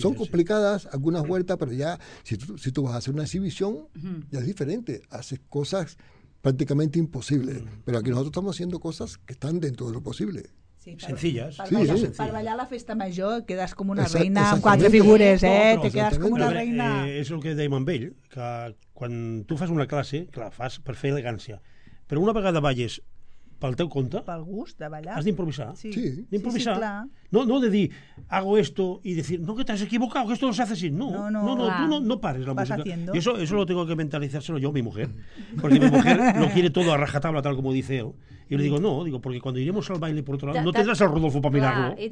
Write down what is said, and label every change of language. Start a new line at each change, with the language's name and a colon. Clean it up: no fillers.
Spanish: son complicadas algunas vueltas, pero ya si tú vas a hacer una exhibición, ya es diferente. Haces cosas prácticamente imposible, pero aquí nosotros estamos haciendo cosas que están dentro de lo posible. Sí, sencillas. Para
Catalan: ballar la festa major
Spanish: quedas como una reina, cuatro figures, te quedas como una reina.
Catalan: És el que deia en Bell, que quan tu fas una classe, clar, fas per fer elegància, però una vegada balles pel teu compte, pel gust de ballar, has d'improvisar. Sí, d'improvisar.
Spanish: No de dir, hago esto y decir, no, que te has equivocado, que esto lo se hace así. No, tú no pares la música. Haciendo. Y eso lo tengo que mentalizárselo yo, mi mujer. Porque mi mujer lo quiere todo a rajatabla, tal como dice él. Y yo le digo, no, porque cuando iremos al baile por otro lado, no tendrás al Rodolfo para mirarlo.